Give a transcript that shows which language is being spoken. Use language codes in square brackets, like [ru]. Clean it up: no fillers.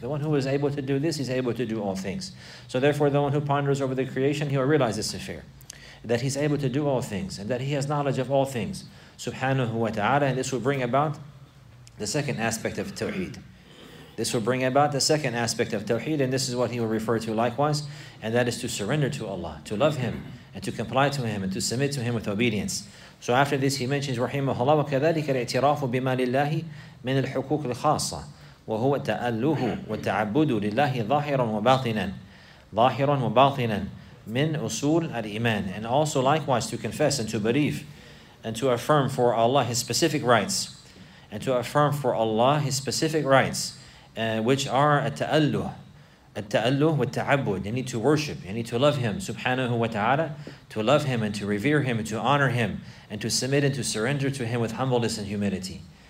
[en] The one who is able to do this, He's able to do all things. So therefore, the one who ponders over the creation, he will realize this affair, that He's able to do all things, and that He has knowledge of all things, subhanahu wa ta'ala. And this will bring about the second aspect of tawheed. This will bring about the second aspect of tawheed, and this is what he will refer to likewise, and that is to surrender to Allah, to love Him, and to comply to Him, and to submit to Him with obedience. So after this, he mentions, rahimahullah, [ar] وَكَذَلِكَ الْاِعْتِرَافُ بِمَا لِلَّهِ مِنَ الْحُقُوقِ الْخَاصَّةِ وَهُوَ التَّأَلُّهُ وَالتَّعَبُّدُ لِلَّهِ ظَاهِرًا وَبَاطِنًا ظَاهِرًا وَبَاطِنًا min usul al-iman. [en] And also likewise to confess and to believe and to affirm for Allah His specific rights, and to affirm for Allah His specific rights, which are at ta'allu, [ar] التأله والتعبد. [en] You need to worship. You need to love Him, [ar] سبحانه وتعالى. [en] To love Him and to revere Him and to honor Him and to submit and to surrender to Him with humbleness and humility.